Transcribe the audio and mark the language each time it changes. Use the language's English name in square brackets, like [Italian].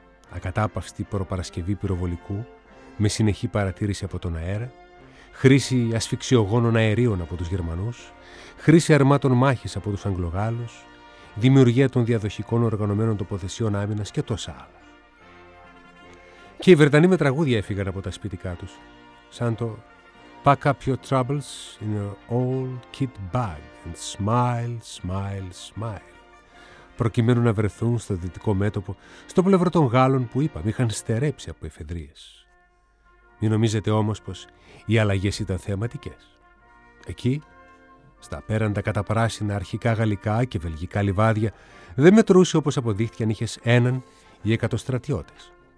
[Greek] Ακατάπαυστη προπαρασκευή πυροβολικού, με συνεχή παρατήρηση από τον αέρα, χρήση ασφυξιογόνων αερίων από τους Γερμανούς, χρήση αρμάτων μάχης από τους Αγγλογάλους, δημιουργία των διαδοχικών οργανωμένων τοποθεσιών άμυνας και τόσα άλλα. Και οι Βρετανοί με τραγούδια έφυγαν από τα σπιτικά τους, σαν το [English] Pack up your troubles in your old kit bag and smile, smile, smile. [Greek] Προκειμένου να βρεθούν στο δυτικό μέτωπο, στο πλευρό των Γάλλων που είπαμε είχαν στερέψει από εφεδρίες. Μην νομίζετε όμως πως οι αλλαγές ήταν θεαματικές. Εκεί, στα απέραντα καταπράσινα αρχικά γαλλικά και βελγικά λιβάδια, δεν μετρούσε όπως αποδείχθηκε αν είχες έναν ή 100 στρατιώτες.